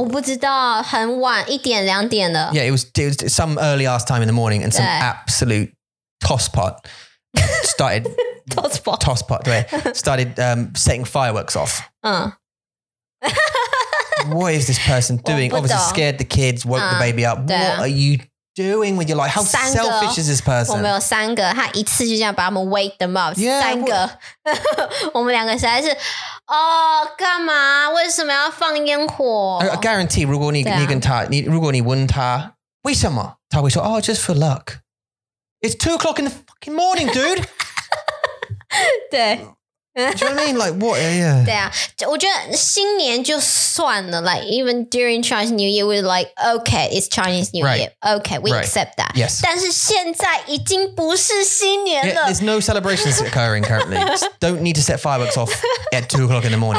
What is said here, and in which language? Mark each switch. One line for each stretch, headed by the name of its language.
Chinese: 我不知道, 很晚, 一点, 两点了。
English: Yeah, it was some early ass time in the morning and some absolute tosspot started. Tosspot. Started setting fireworks off. What is this person doing? Obviously scared the kids, woke the baby up. What are you doing with your life? How
Chinese: 三个,
English: selfish is this person?
Chinese: 我们有三个, 他一次就这样把他们
English: wake them up. Yeah,
Chinese: 三个, 我们两个实在是, 哦, 干嘛? 为什么要放烟火?
English: I guarantee,
Chinese: 如果你跟他, 如果你问他, 为什么? 他会说,
English: oh, just for luck. It's 2 o'clock in the fucking morning, dude.
Chinese: 对。
English: Do you know what I mean? Like what? Yeah.
Chinese: 对啊,我觉得新年就算了,
English: like even during Chinese New Year, we're like, okay, it's Chinese New Year. Okay, we accept that. Yes.
Chinese: 但是现在已经不是新年了。
English: Yeah, there's no celebrations occurring currently. Don't need to set fireworks off at 2 o'clock in the morning.